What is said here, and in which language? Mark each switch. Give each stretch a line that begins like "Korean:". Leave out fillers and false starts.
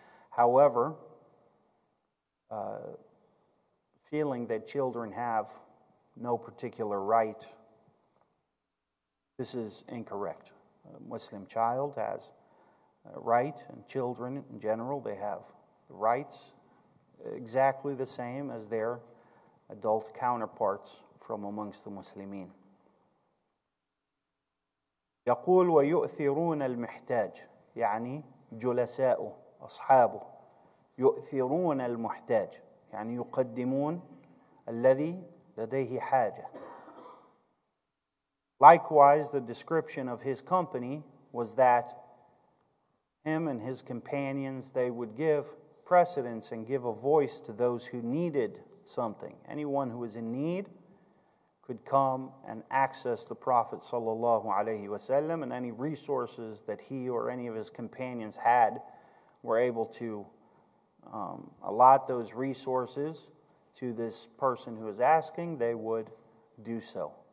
English: However, feeling that children have no particular right, this is incorrect. A Muslim child has a right, and children in general, they have rights exactly the same as their adult counterparts from amongst the Muslimin.
Arabic: يقول ويؤثرون المحتاج يعني جلساؤه أصحابه يؤثرون المحتاج يعني يقدمون الذي لديه حاجة.
English: Likewise, the description of his company was that him and his companions, they would give precedence and give a voice to those who needed something. Anyone who was in need could come and access the Prophet sallallahu alaihi wasallam, and any resources that he or any of his companions had were able to allot those resources to this person who is asking, they would do so.